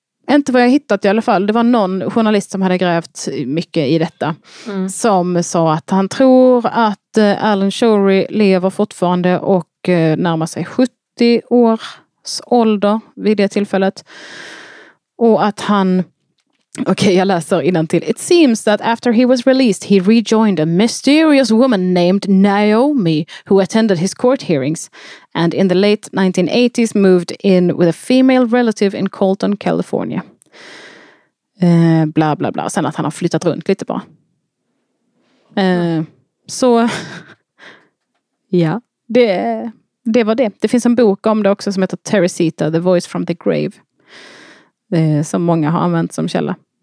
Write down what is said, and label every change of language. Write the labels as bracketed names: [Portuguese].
[Swedish] Inte vad jag hittat i alla fall. Det var någon journalist som hade grävt mycket i detta. Mm. Som sa att han tror att Alan Shorey lever fortfarande och närmar sig 70 års ålder vid det tillfället. Och att han... Okej, jag läser innantill. [English] It seems that after he was released he rejoined a mysterious woman named Naomi who attended his court hearings and in the late 1980s moved in with a female relative in Colton, California. [Swedish] Bla bla bla. Sen att han har flyttat runt lite bara. Så ja, det var det. Det finns en bok om det också som heter Teresita, The Voice from the Grave. Som många har använt som källa.